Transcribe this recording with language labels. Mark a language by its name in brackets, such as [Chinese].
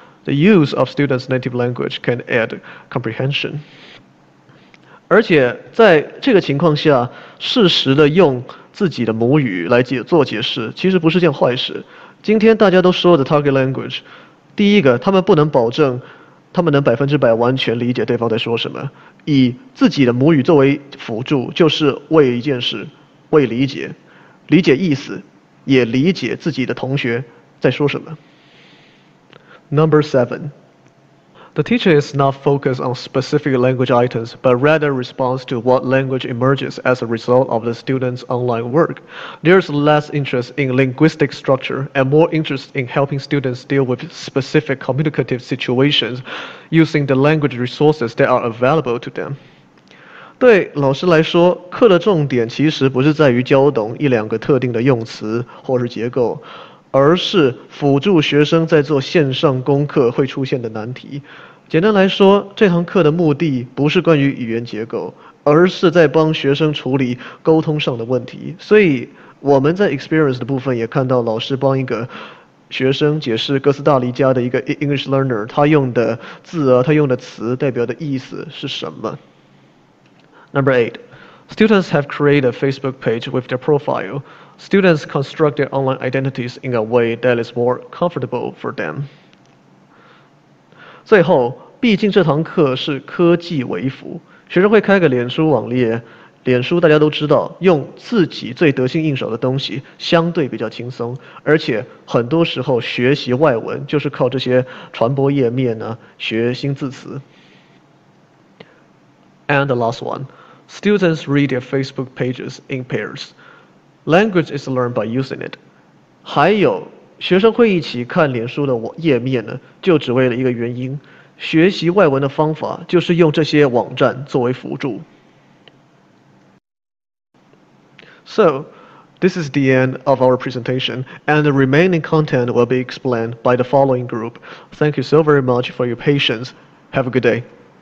[English] The use of students' native language can add comprehension. [Chinese] 而且在这个情况下，适时的用自己的母语来做解释，其实不是件坏事。今天大家都说的 target language， 第一个，他们不能保证他们能百分之百完全理解对方在说什么，以自己的母语作为辅助，就是为一件事，为理解，理解意思，也理解自己的同学在说什么。 [English] Number 7. The teacher is not focused on specific language items, but rather responds to what language emerges as a result of the student's online work. There's less interest in linguistic structure and more interest in helping students deal with specific communicative situations using the language resources that are available to them. [Chinese] 对老师来说，课的重点其实不是在于教懂一两个特定的用词或是结构，而是辅助学生在做线上功课会出现的难题。简单来说，这堂课的目的不是关于语言结构，而是在帮学生处理沟通上的问题。所以我们在 experience 的部分也看到老师帮一个学生解释哥斯达黎加的一个 English learner， 他用的字啊，他用的词代表的意思是什么。 [English] Number 8. Students have created a Facebook page with their profile. Students construct their online identities in a way that is more comfortable for them. [Chinese] 最后，毕竟这堂课是科技为辅，学生会开个脸书网页，脸书大家都知道，用自己最得心应手的东西相对比较轻松，而且很多时候学习外文就是靠这些传播页面呢，学新字词。 [English] And the last one, students read their Facebook pages in pairs. Language is learned by using it. [Chinese] 还有，学生会一起看脸书的页面呢，就只为了一个原因，学习外文的方法就是用这些网站作为辅助。 [English] So, this is the end of our presentation, and the remaining content will be explained by the following group. Thank you so very much for your patience. Have a good day.